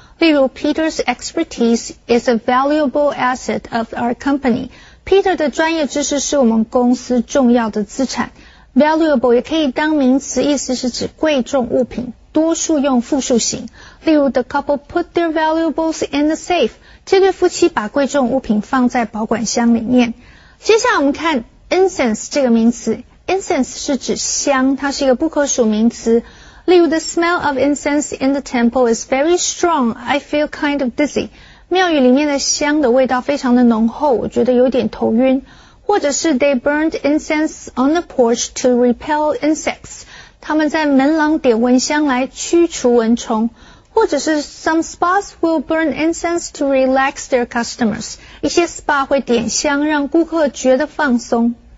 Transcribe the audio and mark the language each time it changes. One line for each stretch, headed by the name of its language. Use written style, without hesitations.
Chinese: 例如
English: Peter's expertise is a valuable asset of our company.
Chinese: Peter 的专业知识是我们公司重要的资产。 Valuable 也可以当名词，意思是指贵重物品，多数用复数型。例如
English: The couple put their valuables in the safe.
Chinese: 这对夫妻把贵重物品放在保管箱里面。接下来我们看 incense 这个名词。Incense 是指香，它是一个不可数名词。
English: 例如 The smell of incense in the temple is very strong. I feel kind of dizzy.
Chinese: 庙宇里面的香的味道非常的浓厚，我觉得有点头晕。或者是
English: They burned incense on the porch to repel insects.
Chinese: 他们在门廊点蚊香来驱除蚊虫。或者是
English: Some spas will burn incense to relax their customers.
Chinese: 一些 spa 会点香让顾客觉得放松。